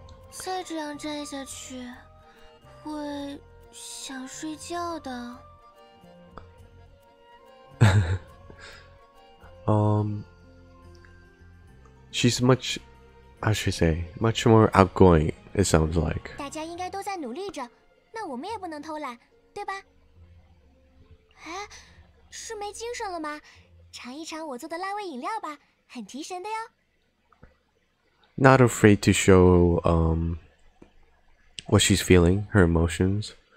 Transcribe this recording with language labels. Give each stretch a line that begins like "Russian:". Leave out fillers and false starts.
Chinese: 再这样站下去, 会想睡觉的.
English: She's much, how should I say, much more outgoing, it sounds like.
Chinese: 大家应该都在努力着, 那我们也不能偷懒, 对吧? 诶, 是没精神了吗?尝一尝我做的辣味饮料吧, 很提神的哟。
English: Not afraid to show what she's feeling, her emotions.